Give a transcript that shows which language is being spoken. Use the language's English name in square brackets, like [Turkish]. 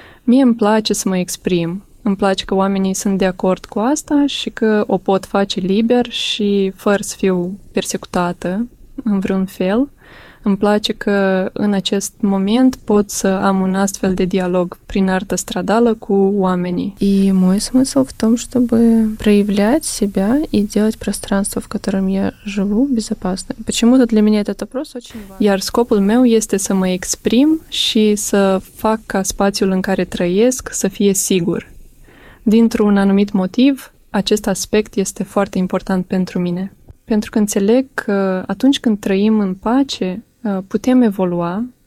[Romanian] Mie îmi place să mă exprim. Îmi place că oamenii sunt de acord cu asta și că o pot face liber și fără să fiu persecutată în vreun fel. Îmi place că în acest moment pot să am un astfel de dialog prin artă stradală cu oamenii. [Russian] И мой смысл в том, чтобы проявлять себя и делать пространство, в котором я живу, безопасным. Почему-то для меня этот вопрос очень важен. [Romanian] Iar scopul meu este să mă exprim și să fac ca spațiul în care trăiesc să fie sigur. Dintr-un anumit motiv, acest aspect este foarte important pentru mine. Pentru că înțeleg că atunci când trăim în pace, putem evolua.